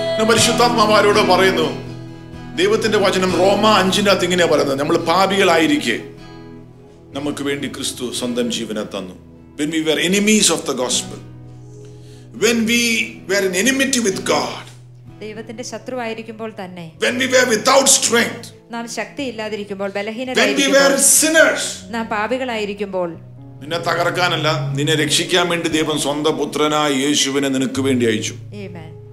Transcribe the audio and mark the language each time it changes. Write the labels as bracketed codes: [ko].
[ml] പരിശുദ്ധാത്മാവരോട് പറയുന്നു, ദൈവത്തിന്റെ വചനം റോമാ 5:5 ഇങ്ങനെയാ പറയുന്നത്, നമ്മൾ പാപികളായിരിക്കെ നമുക്ക് വേണ്ടി ക്രിസ്തു സ്വന്തം ജീവനെ തന്നു. [en] When we were enemies of the gospel, when we were in enmity with God, [ml] ദൈവത്തിന്റെ ശത്രുവായിരിക്കുമ്പോൾ തന്നെ, [en] when we were without strength, [ml] നാം ശക്തിയില്ലാതിരിക്കുമ്പോൾ, ബലഹീനരായി, [en] when we were sinners, [ml] നാം പാപികളായിരിക്കുമ്പോൾ, നിന്നെ തകർക്കാനല്ല നിന്നെ രക്ഷിക്കാൻ വേണ്ടി ദൈവം സ്വന്തം പുത്രനായ യേശുവിനെ നിനക്ക് വേണ്ടി അയച്ചു. ആമേൻ.